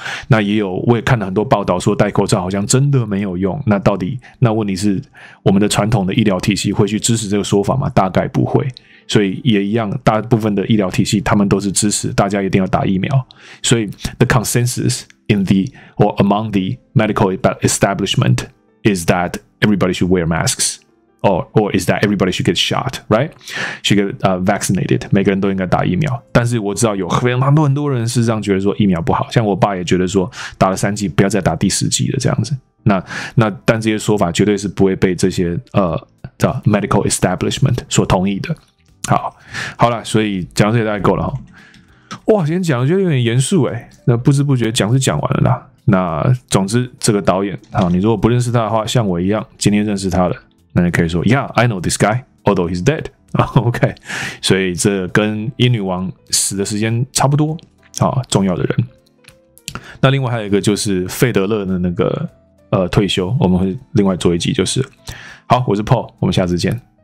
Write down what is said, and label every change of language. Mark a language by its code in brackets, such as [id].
[zh] 那也有，我也看了很多报道说戴口罩好像真的没有用。那到底，那问题是我们的传统的医疗体系会去支持这个说法吗？大概不会。所以也一样，大部分的医疗体系他们都是支持大家一定要打疫苗。所以 [en] the consensus in the or among the medical establishment is that everybody should wear masks. Or is that everybody should get shot, right? Should get vaccinated. [zh] 每个人都应该打疫苗。但是我知道有非常很多人事实上觉得说疫苗不好，像我爸也觉得说打了三剂不要再打第四剂了这样子。那但这些说法绝对是不会被这些的 medical establishment 所同意的。好啦，所以讲这些大概够了齁。哇，今天讲的觉得有点严肃欸。那不知不觉讲是讲完了啦。那总之这个导演好，你如果不认识他的话，像我一样今天认识他了。那你可以说 [en] ，Yeah, I know this guy, although he's dead. [zh] OK， 所以这跟英女王死的时间差不多啊，重要的人。那另外还有一个就是费德勒的那个退休，我们会另外做一集就是。好，我是 Paul， 我们下次见。